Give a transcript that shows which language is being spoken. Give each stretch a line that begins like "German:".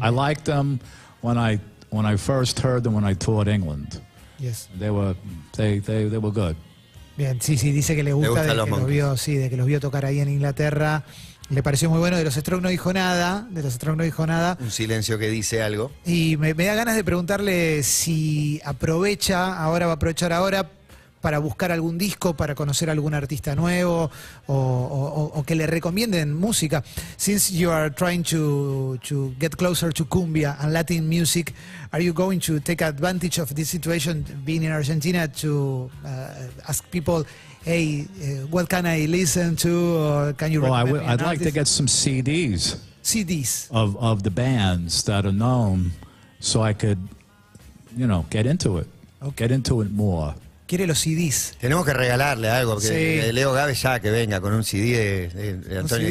English: I liked them when I first heard them when I toured England. Yes. They were good.
Spanish: Bien, sí, dice que le gusta de que los vio tocar ahí en Inglaterra. Le pareció muy bueno. De los Strokes no dijo nada. Un silencio que dice algo. Y me da ganas de preguntarle si aprovecha, ahora va a aprovechar ahora, para buscar algún disco, para conocer algún artista nuevo, o que le recomienden música.
English: Since you are trying to get closer to cumbia and Latin music, are you going to take advantage of this situation, being in Argentina, to ask people, hey, what can I listen to, or can you recommend? Well, I'd like to get some CDs. CDs. Of the bands that are known, so I could, you know, get into it. Okay. Get into it more.
Spanish: Quiere los CDs. Tenemos que regalarle algo. Porque sí. Leo Gabe ya que venga con un CD de Antonio CD.